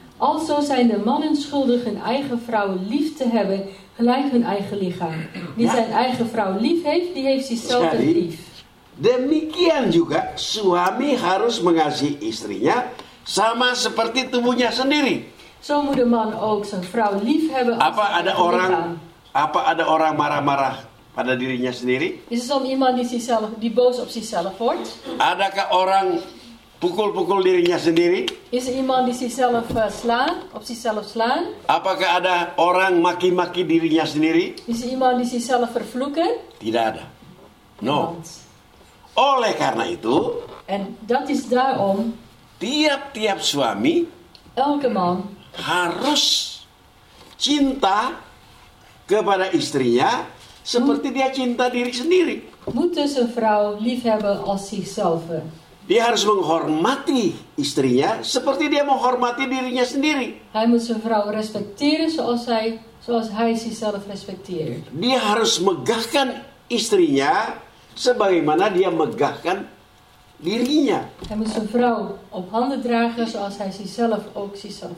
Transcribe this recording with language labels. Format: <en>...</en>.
<nl>Also zijn de mannen schuldig hun eigen vrouwen lief te hebben gelijk hun eigen lichaam. Wie zijn eigen vrouw lief heeft, die heeft zichzelf lief.</nl> <id>Demikian juga suami harus mengasihi istrinya sama seperti tubuhnya sendiri.</id> <nl>Zo moet de man ook zijn vrouw lief hebben.</nl> <id>Apa ada orang marah-marah pada dirinya sendiri?</id> <nl>Is er soms iemand die boos op zichzelf wordt?</nl> <id>Adakah orang pukul-pukul dirinya sendiri?</id> <nl>Is er iemand die zichzelf slaat, op zichzelf slaan?</nl> <id>Apakah ada orang maki-maki dirinya sendiri?</id> <nl>Is er iemand die zichzelf vervloeken?</nl> <id>Tidak ada. No. Oleh karena itu,</id> <nl>en dat is daarom,</nl> <id>tiap-tiap suami,</id> <nl>elke man,</nl> <id>harus cinta kepada istrinya seperti dia cinta diri sendiri.</id> <nl>Moet dus een vrouw lief hebben als zichzelf.</nl> <id>Dia harus menghormati istrinya seperti dia menghormati dirinya sendiri.</id> <nl>Hij moet zijn vrouw respecteren zoals hij zichzelf respecteert.</nl> <id>Dia harus megahkan istrinya sebagaimana dia megahkan dirinya.</id> <nl>Hij moet zijn vrouw op handen dragen zoals hij zichzelf ook zichzelf.</nl>